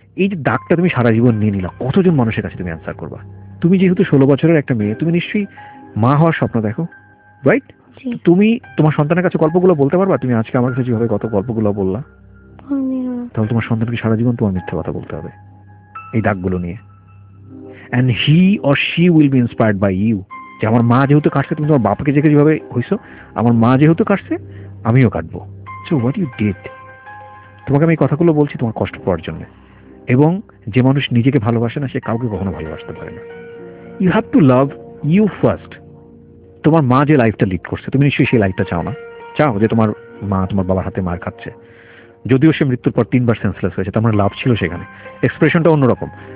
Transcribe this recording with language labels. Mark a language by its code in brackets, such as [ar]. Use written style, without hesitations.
[bn] এই যে দাগটা তুমি সারা জীবন নিয়ে নিলা, কতজন মানুষের কাছে তুমি অ্যান্সার করবা? তুমি যেহেতু ষোলো বছরের একটা মেয়ে, তুমি নিশ্চয়ই মা হওয়ার স্বপ্ন দেখো, রাইট? তুমি তোমার সন্তানের কাছে গল্পগুলো বলতে পারবা? তুমি আজকে আমার কাছে যেভাবে কত গল্পগুলো বললা, তাহলে তোমার সন্তানকে সারা জীবন তোমার মিথ্যা কথা বলতে হবে এই দাগগুলো নিয়ে। [en] and he or she will be inspired by you. [bn] যে আমার মা যেহেতু কাটছে, তুমি তোমার বাপকে দেখে যেভাবে হইছো, আমার মা যেহেতু কাটছে আমিও কাটবো। [en] so what you did, [bn] তোমাকে আমি কথাগুলো বলছি তোমার কষ্ট পাওয়ার জন্য। এবং যে মানুষ নিজেকে ভালোবাসে না সে কাউকে কখনো ভালোবাসতে পারে না। [en] You have to love you first. [bn] তোমার মা যে লাইফটা লিড করছে তুমি নিশ্চয়ই সেই লাইফটা চাও না, চাও যে তোমার মা তোমার বাবার হাতে মার খাচ্ছে, যদিও সে মৃত্যুর পর তিনবার সেন্সলেস হয়েছে, তোমার লাভ ছিল সেখানে, এক্সপ্রেশনটা অন্যরকম।